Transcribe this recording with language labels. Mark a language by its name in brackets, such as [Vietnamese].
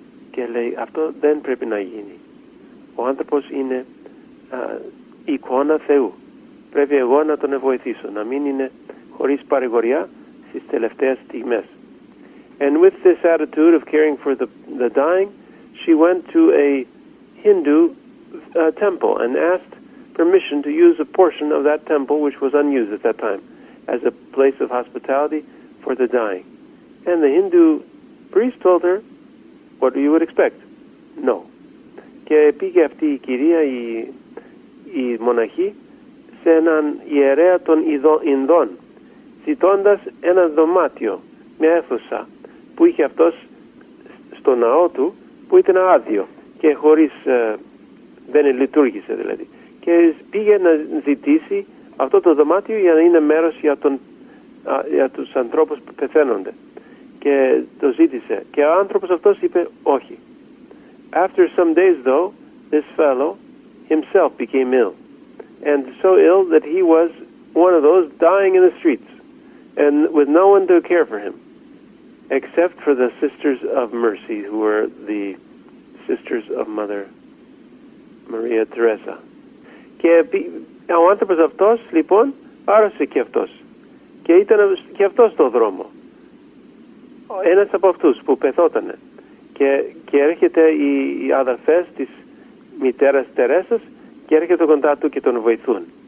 [Greek] Και λέει, αυτό δεν πρέπει να γίνει. Ο άνθρωπος είναι εικόνα Θεού. Πρέπει εγώ να τον βοηθήσω, να μην είναι χωρίς παρηγοριά στις τελευταίες στιγμές. [English] And with this attitude of caring for the dying, she went to a Hindu temple and asked permission to use a portion of that temple, which was unused at that time, as a place of hospitality for the dying. And the Hindu priest told her, what you would expect? No. [Greek] Και πήγε αυτή η κυρία, η μοναχή, σε έναν ιερέα των Ινδών, ζητώντας ένα δωμάτιο, μια αίθουσα, που είχε αυτός στο ναό του, που ήταν άδειο και χωρίς, δεν λειτουργήσε δηλαδή. Και πήγε να ζητήσει αυτό το δωμάτιο για να είναι μέρος για τους ανθρώπους που πεθαίνονται. Και το ζήτησε. Και ο άνθρωπος αυτός είπε όχι. [English] After some days though, this fellow himself became ill. And so ill that he was one of those dying in the streets. And with no one to care for him. Except for the Sisters of Mercy, who were the sisters of Mother Maria Teresa. [Greek] Και ο άνθρωπος αυτός, λοιπόν, άρρωσε και αυτός. Και ήταν και αυτός στο δρόμο. Ένας από αυτούς που πεθότανε. Και έρχεται οι αδερφές της μητέρας Τερέσας και έρχεται κοντά του και τον βοηθούν.